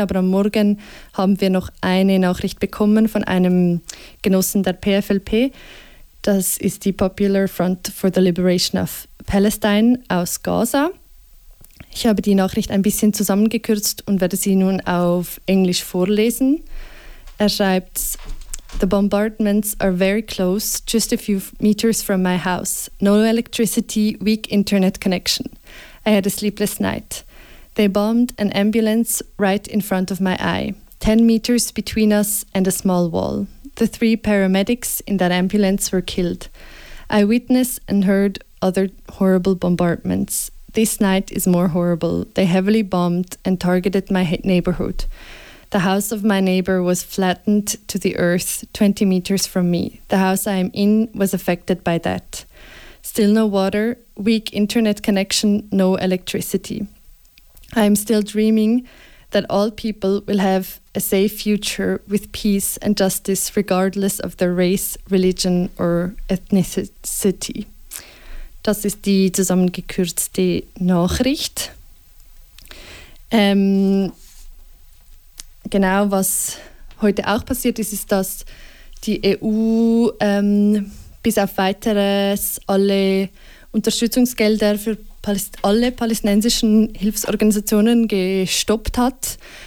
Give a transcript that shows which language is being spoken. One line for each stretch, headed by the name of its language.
German: Aber am Morgen haben wir noch eine Nachricht bekommen von einem Genossen der PFLP, Das ist die Popular Front for the Liberation of Palestine aus Gaza. Ich habe die Nachricht ein bisschen zusammengekürzt und werde sie nun auf Englisch vorlesen. Er schreibt:
English: The bombardments are very close, just a few meters from my house. No electricity, weak internet connection. I had a sleepless night. They bombed an ambulance right in front of my eye, 10 meters between us and a small wall. The three paramedics in that ambulance were killed. I witnessed and heard other horrible bombardments. This night is more horrible. They heavily bombed and targeted my neighborhood. The house of my neighbor was flattened to the earth 20 meters from me. The house I am in was affected by that. Still no water, weak internet connection, no electricity. I am still dreaming that all people will have a safe future with peace and justice regardless of their race, religion or ethnicity.
German: Das ist die zusammengekürzte Nachricht. Genau, was heute auch passiert ist, ist, dass die EU bis auf Weiteres alle Unterstützungsgelder für alle palästinensischen Hilfsorganisationen gestoppt hat.